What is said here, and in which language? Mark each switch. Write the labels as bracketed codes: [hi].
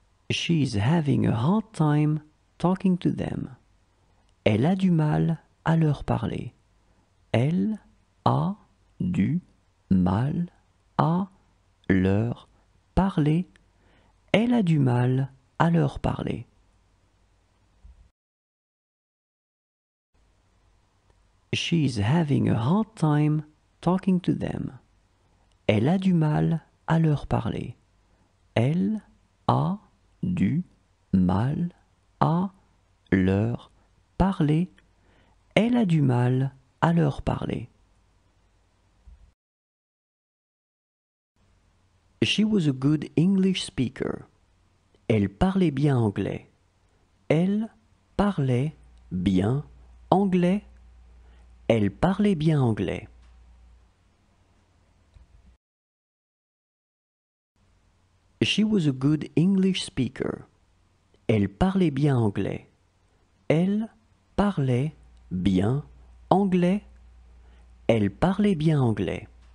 [en] She is having a hard time talking to them. [fr] Elle a du mal à leur parler. Elle a du mal à leur parler. Elle a du mal à leur parler. [en] She is having a hard time talking to them. [fr] Elle a du mal à leur parler. Elle a du mal à leur parler. Elle a du mal à leur parler. [en] She was a good English speaker. [fr] Elle parlait bien anglais. Elle parlait bien anglais. Elle parlait bien anglais. [en] She was a good English speaker. [fr] Elle parlait bien anglais. Elle parlait bien anglais. Elle parlait bien anglais.